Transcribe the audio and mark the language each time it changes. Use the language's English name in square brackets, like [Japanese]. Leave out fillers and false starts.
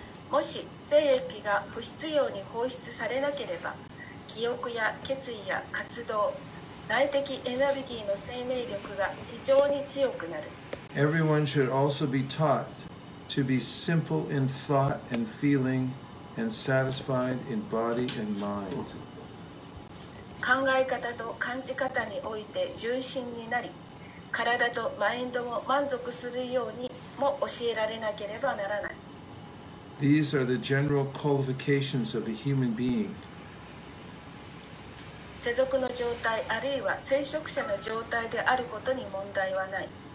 [Japanese] もし精液が不必要に放出されなければ、記憶や決意や活動、内的エネルギーの生命力が非常に強くなる。 [English] Everyone should also be taught to be simple in thought and feeling and satisfied in body and mind. [Japanese] 考え方と感じ方において純真になり、体とマインドも満足するようにも教えられなければならない。 [English] These are the general qualifications of a human being. [Japanese] 世俗の状態あるいは聖職者の状態であることに問題はない。